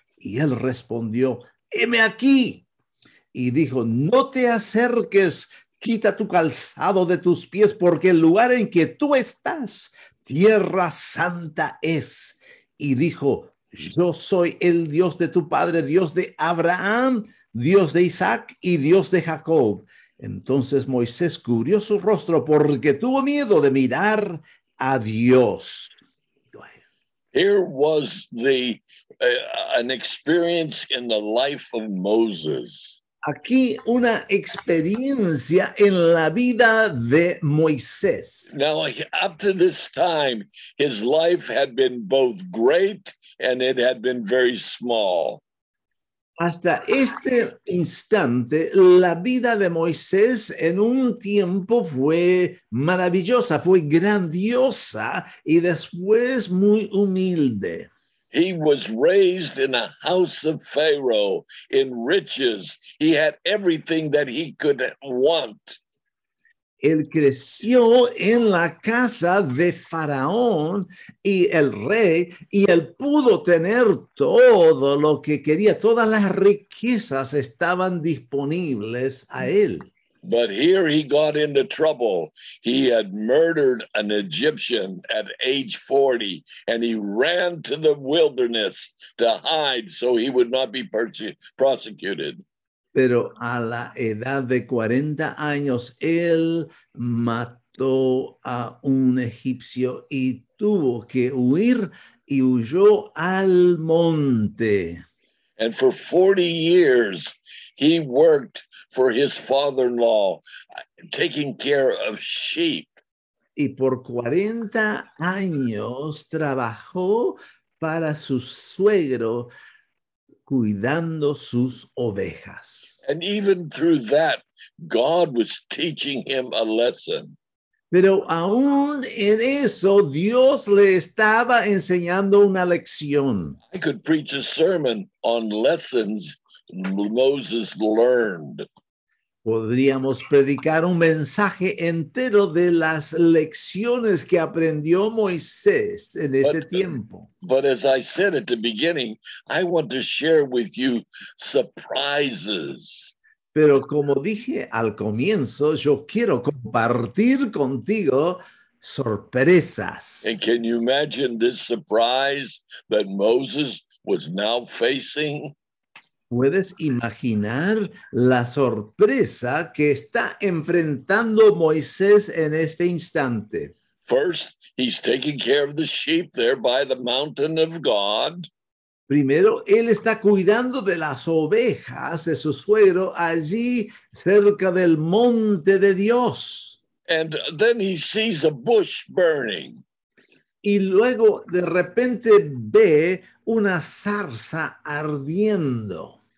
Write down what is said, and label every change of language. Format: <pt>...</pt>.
<es>Y él respondió, heme aquí. Y dijo, no te acerques, quita tu calzado de tus pies, porque el lugar en que tú estás, tierra santa es. Y dijo, yo soy el Dios de tu padre, Dios de Abraham, Dios de Isaac y Dios de Jacob. Entonces Moisés cubrió su rostro porque tuvo miedo de mirar a Dios.</es> <en>Here was an experience in the life of Moses.</en> <es>Aquí una experiencia en la vida de Moisés.</es> <en>Now, up to this time, his life had been both great and it had been very small.</en> <es>Hasta este instante, la vida de Moisés en un tiempo fue maravillosa, fue grandiosa y después muy humilde.</es> <en>He was raised in a house of Pharaoh, in riches. He had everything that he could want.</en> <es>Él creció en la casa de Faraón y el rey, y él pudo tener todo lo que quería. Todas las riquezas estaban disponibles a él.</es> <en>But here he got into trouble. He had murdered an Egyptian at age 40, and he ran to the wilderness to hide so he would not be prosecuted.</en> <es>Pero a la edad de 40 años, él mató a un egipcio y tuvo que huir y huyó al monte.</es> <en>And for 40 years, he worked for his father-in-law, taking care of sheep.</en> <es>Y por 40 años trabajó para su suegro, cuidando sus ovejas.</es> <en>And even through that, God was teaching him a lesson.</en> <es>Pero aún en eso, Dios le estaba enseñando una lección.</es> <en>I could preach a sermon on lessons Moses learned.</en> <es>Podríamos predicar un mensaje entero de las lecciones que aprendió Moisés en ese tiempo.</es> <en>But as I said at the beginning, I want to share with you surprises.</en> <es>Pero como dije al comienzo, yo quiero compartir contigo sorpresas.</es> <en>And can you imagine this surprise that Moses was now facing?</en> <es>¿Puedes imaginar la sorpresa que está enfrentando Moisés en este instante?</es> <en>First, he's taking care of the sheep there by the mountain of God.</en> <es>Primero, él está cuidando de las ovejas de su suegro allí cerca del monte de Dios.</es> <en>And then he sees a bush burning.</en> <es>Y luego, de repente, ve una zarza ardiendo.</es>